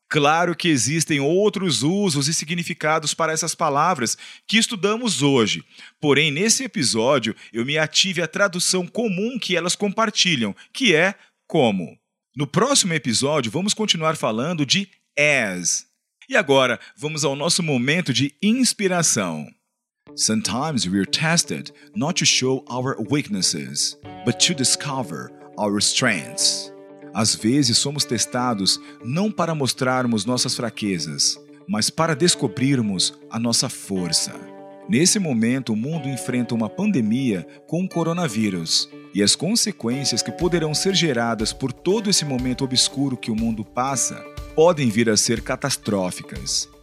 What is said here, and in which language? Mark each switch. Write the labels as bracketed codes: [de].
[pt] Claro que existem outros usos e significados para essas palavras que estudamos hoje. Porém, nesse episódio, eu me ative à tradução comum que elas compartilham, que é como. No próximo episódio, vamos continuar falando de as. E agora, vamos ao nosso momento de inspiração. [en] Sometimes we are tested not to show our weaknesses, but to discover our strengths. [pt] Às vezes somos testados não para mostrarmos nossas fraquezas, mas para descobrirmos a nossa força. Nesse momento, o mundo enfrenta uma pandemia com o coronavírus e as consequências que poderão ser geradas por todo esse momento obscuro que o mundo passa podem vir a ser catastróficas.